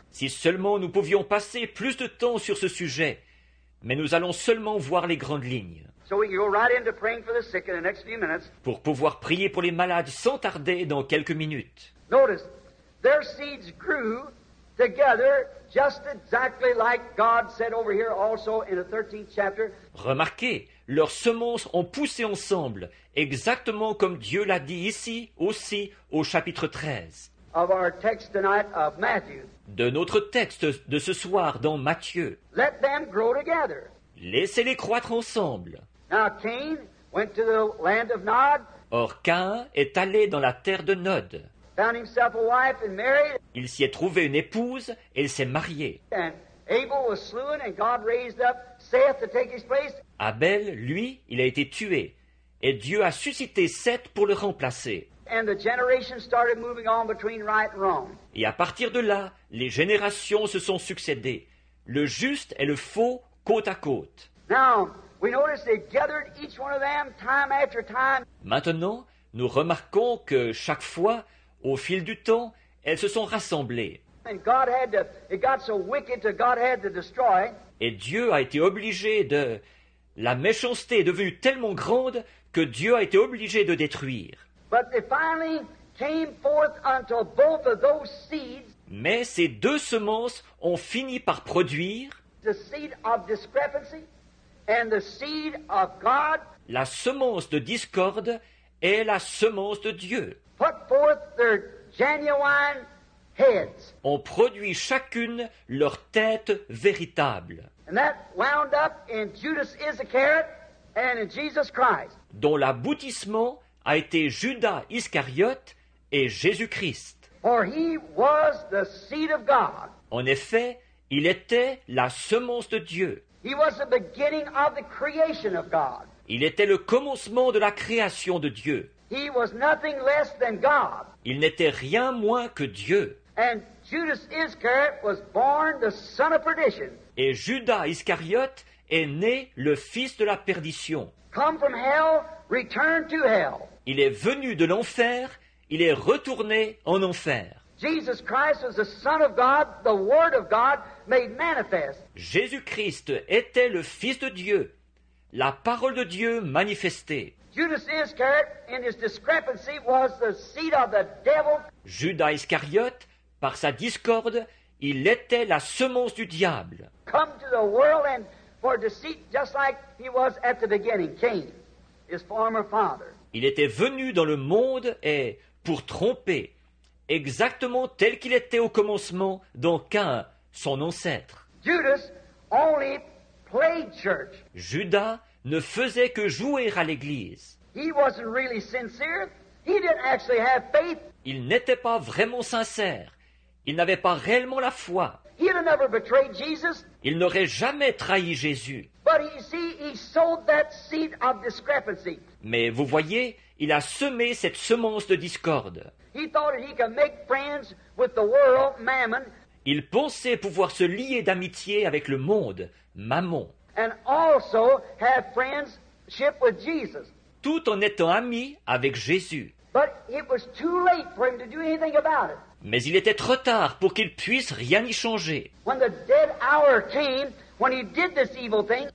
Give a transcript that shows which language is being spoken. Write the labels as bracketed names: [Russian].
[French] Si seulement nous pouvions passer plus de temps sur ce sujet, mais nous allons seulement voir les grandes lignes. [English] So we go right into praying for the sick in the next few minutes. [French] Pour pouvoir prier pour les malades sans tarder dans quelques minutes. [English] Notice. Their seeds grew together just exactly like God said over here also in the 13th chapter. [French] Remarquez, leurs semences ont poussé ensemble, exactement comme Dieu l'a dit ici aussi au chapitre 13. [English] Of our text tonight of Matthew. [French] De notre texte de ce soir dans Matthieu. [English] Let them grow together. [French] Laissez-les croître ensemble. [English] Now Cain went to the land of Nod. [French] Or Cain est allé dans la terre de Nod. [English] Found himself a wife and married. [French] Il s'y est trouvé une épouse et il s'est marié. [English] And Abel was slain and God raised up Seth to take his place. [French] Abel, lui, il a été tué et Dieu a suscité Seth pour le remplacer. [English] And the generation started moving on between right and wrong. [French] Et à partir de là, les générations se sont succédées, le juste et le faux côte à côte. [English] Now, we notice they gathered each one of them time after time. [French] Maintenant, nous remarquons que chaque fois au fil du temps, elles se sont rassemblées. [English] And God had to, it got so wicked that God had to destroy. [French] Et Dieu a été obligé de... La méchanceté est devenue tellement grande que Dieu a été obligé de détruire. [English] But they finally came forth unto both of those seeds. [French] Mais ces deux semences ont fini par produire... [English] The seed of discrepancy and the seed of God. [French] La semence de discorde et la semence de Dieu. [English] Put forth their genuine heads. [French] On produit chacune leur tête véritable. [English] And that wound up in Judas Iscariot and in Jesus Christ. [French] Dont l'aboutissement a été Judas Iscariote et Jésus-Christ. [English] For he was the seed of God. [French] En effet, il était la semence de Dieu. [English] He was the beginning of the creation of God. [French] Il était le commencement de la création de Dieu. [English] He was nothing less than God. [French] Il n'était rien moins que Dieu. [English] And Judas Iscariot was born the son of perdition. [French] Et Judas Iscariote est né le fils de la perdition. [English] Come from hell, return to hell. [French] Il est venu de l'enfer, il est retourné en enfer. [English] Jesus Christ was the son of God, the word of God made manifest. [French] Jésus-Christ était le fils de Dieu, la parole de Dieu manifestée. [English] Judas Iscariot, in his discrepancy, was the seed of the devil. [French] Judas Iscariot, par sa discorde, il était la semence du diable. [English] Come to the world and for deceit, just like he was at the beginning, Cain, his former father. [French] Il était venu dans le monde et pour tromper, exactement tel qu'il était au commencement dans Cain, son ancêtre. [English] Judas only played church. [French] Judas ne faisait que jouer à l'église. [English] He wasn't really sincere. He didn't actually have faith. [French] Il n'était pas vraiment sincère. Il n'avait pas réellement la foi. [English] He'd have never betrayed Jesus. [French] Il n'aurait jamais trahi Jésus. [English] But you see, sowed that seed of discrepancy. [French] Mais vous voyez, il a semé cette semence de discorde. [English] He thought he could make friends with the world, mammon. [French] Il pensait pouvoir se lier d'amitié avec le monde, mammon. [English] And also have friendship with Jesus. [French] Tout en étant ami avec Jésus. [English] But it was too late for him to do anything about it. [French] Mais il était trop tard pour qu'il puisse rien y changer. [English] When the dead hour came, when he did this evil thing,